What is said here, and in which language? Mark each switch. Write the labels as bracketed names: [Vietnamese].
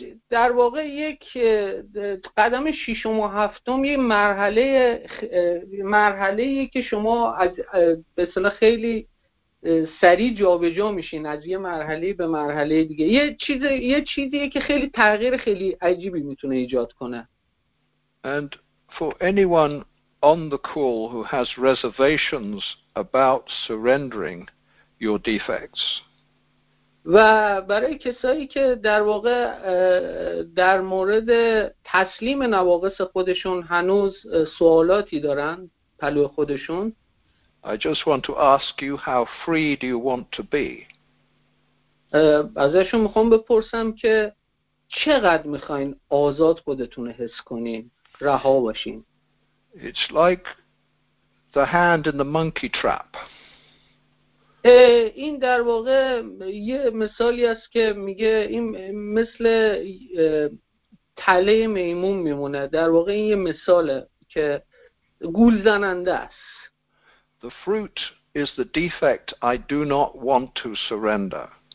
[Persian] در واقع یک قدم ششم و هفتم یه مرحله ای که شما از به اصطلاح خیلی سریع جابجا میشین از یه مرحله به مرحله دیگه. یه چیزیه که خیلی تغییر خیلی عجیبی میتونه ایجاد کنه. [English] And for anyone on the call who has reservations about surrendering your defects. [Persian] و برای کسایی که در واقع در مورد تسلیم نواقص خودشون هنوز سوالاتی دارن پلو خودشون. [English] I just want to ask you how free do you want to be. [Persian] ازشون میخوام بپرسم که چقدر میخواین آزاد خودتون حس کنین، رها باشین. [English] It's like the hand in the monkey trap. [Persian] این در واقع یه مثالی است که میگه این مثل تله میمون میمونه. در واقع این یه مثاله که گول زننده است. [English] The fruit is the defect I do not want to surrender.